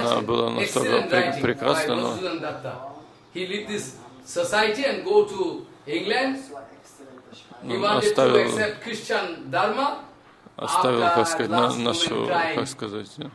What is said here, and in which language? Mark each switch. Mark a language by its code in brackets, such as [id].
[ru] Она была настолько прекрасна, но [en] he left this society and go to England. He wanted to accept Christian Dharma. [ru] Оставил, как сказать, нашу, как сказать,